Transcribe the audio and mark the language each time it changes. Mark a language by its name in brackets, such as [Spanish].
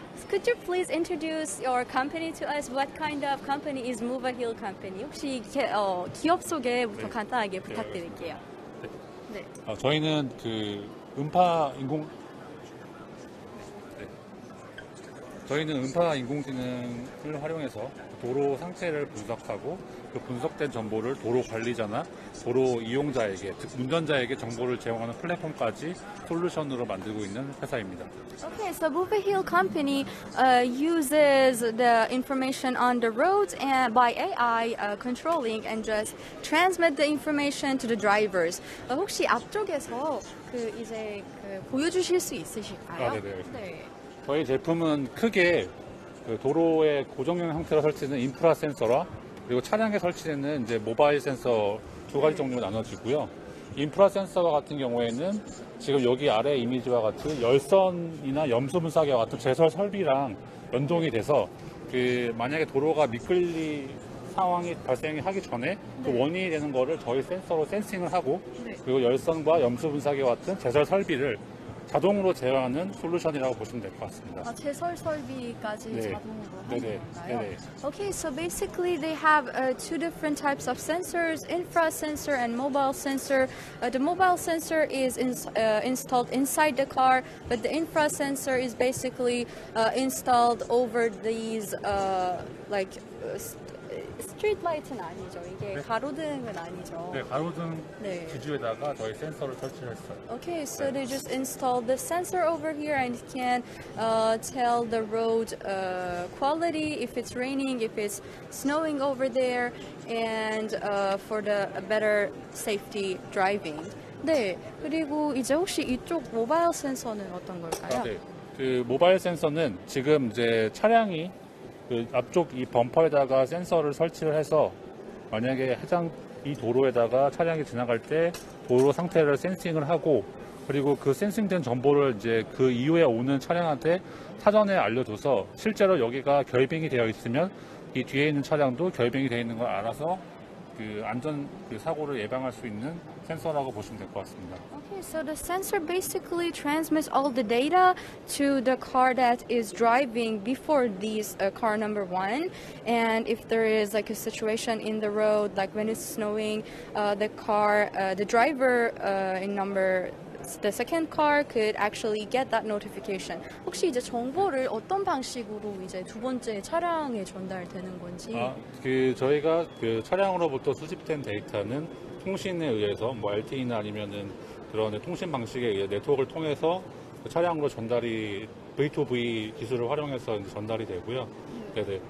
[English] Could you please introduce your company to us? What kind of company is Move Ahill Company? [Korean] 혹시 기업 소개부터 네. 간단하게 부탁드릴게요. 네. 네. 저희는 그 음파 인공 저희는 음파 인공지능을 활용해서 도로 상태를 분석하고 그 분석된 정보를 도로 관리자나 도로 이용자에게, 즉 운전자에게 정보를 제공하는 플랫폼까지 솔루션으로 만들고 있는 회사입니다. [English] Okay, so Move Ahill Company uses the information on the roads and by AI controlling and just transmit the information to the drivers. [Korean] 혹시 앞쪽에서 그 이제 그 보여주실 수 있으실까요? 아, 네네. 네. 저희 제품은 크게 도로의 고정형 형태로 설치되는 인프라 센서와 그리고 차량에 설치되는 이제 모바일 센서 두 가지 종류로 나눠지고요. 인프라 센서와 같은 경우에는 지금 여기 아래 이미지와 같은 열선이나 염소 분사기와 같은 제설 설비랑 연동이 돼서 그 만약에 도로가 미끌리 상황이 발생하기 전에 그 원인이 되는 거를 저희 센서로 센싱을 하고 그리고 열선과 염소 분사기와 같은 제설 설비를 자동으로 제어하는 솔루션이라고 보시면 될 것 같습니다. 아, 제설 설비까지 네. 자동으로 하는 건가요? [English] Okay, so basically they have two different types of sensors, infra sensor and mobile sensor. The mobile sensor is installed inside the car, but the infra sensor is basically installed over these like street light은 [Korean] 아니죠. 이게 네. 가로등은 아니죠. 네, 가로등 네. 기준에다가 저희 센서를 설치했어요. [English] Okay, so [Korean] 네. [English] they just installed the sensor over here and can tell the road quality if it's raining, if it's snowing over there and for the better safety driving. [Korean] 네. 그리고 이제 혹시 이쪽 모바일 센서는 어떤 걸까요? 아, 네. 그 모바일 센서는 지금 이제 차량이 그 앞쪽 이 범퍼에다가 센서를 설치를 해서 만약에 해당 이 도로에다가 차량이 지나갈 때 도로 상태를 센싱을 하고 그리고 그 센싱된 정보를 이제 그 이후에 오는 차량한테 사전에 알려줘서 실제로 여기가 결빙이 되어 있으면 이 뒤에 있는 차량도 결빙이 되어 있는 걸 알아서 그 안전 그 사고를 예방할 수 있는 센서라고 보시면 될 것 같습니다. [English] So the sensor basically transmits all the data to the car that is driving before this car number one. And if there is like a situation in the road, like when it's snowing, the car, the driver in number, the second car could actually get that notification. [Korean] 혹시 이제 정보를 어떤 방식으로 이제 두 번째 차량에 전달되는 건지? 아, 그 저희가 그 차량으로부터 수집된 데이터는 통신에 의해서 뭐 LTE나 아니면은 그런 통신 방식에 의해 네트워크를 통해서 그 차량으로 전달이 V2V 기술을 활용해서 이제 전달이 되고요. 네네.